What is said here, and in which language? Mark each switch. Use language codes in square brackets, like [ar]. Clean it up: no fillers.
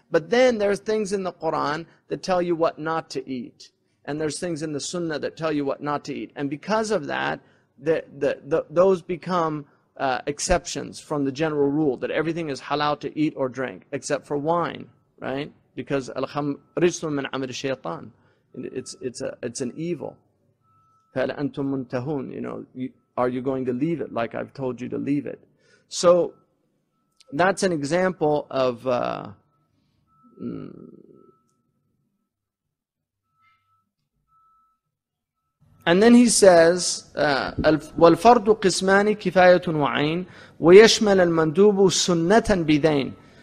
[en] But then there's things in the Quran that tell you what not to eat, and there's things in the Sunnah that tell you what not to eat. And because of that, those become exceptions from the general rule that everything is halal to eat or drink except for wine, right? Because [ar] الْخَمْرِ رِجْسٌ مِنْ عَمَلِ الشَّيْطَانِ, [en] it's an evil. [ar] فَلْ أَنْتُمْ مُنْتَهُونَ, [en] you know, are you going to leave it like I've told you to leave it? So that's an example of and then he says, [ar] وَالْفَرْضُ قِسْمَانِ كِفَايَةٌ وَعَيْنٌ وَيَشْمَلَ الْمَنْدُوبُ سُنَّةً بِذَيْنٌ.